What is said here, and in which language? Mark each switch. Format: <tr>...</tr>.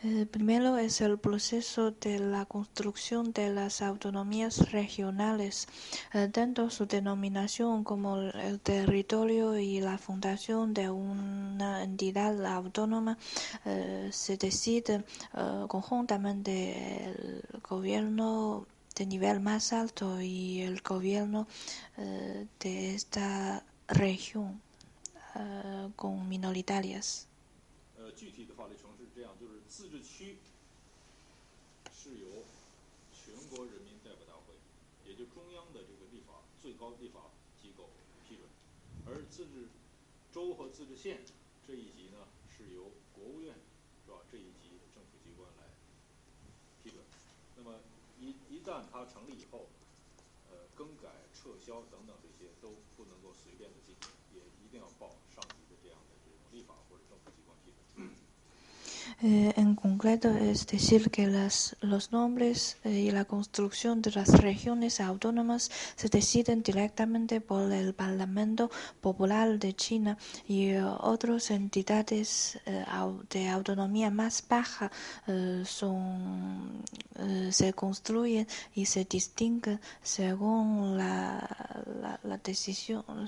<es>Primero es el proceso de la construcción de las autonomías regionales, tanto su denominación como el territorio y la fundación de una entidad autónoma se decide conjuntamente el gobierno de nivel más alto y el gobierno de esta región con minoritarias.</es> <zh>具体的法律程序是这样，就是自治区是由全国人民代表大会，也就中央的这个立法最高立法机构批准，而自治州和自治县这一级呢是由国务院是吧这一级政府机关来批准。那么一旦它成立以后，更改撤销等等这些都不能够随便的进行，也一定要报上级的这样的这种立法或者政府机关批准。</zh> <es>En concreto, es decir, que los nombres y la construcción de las regiones autónomas se deciden directamente por el Parlamento Popular de China y otras entidades de autonomía más baja se construyen y se distinguen según la decisión</es>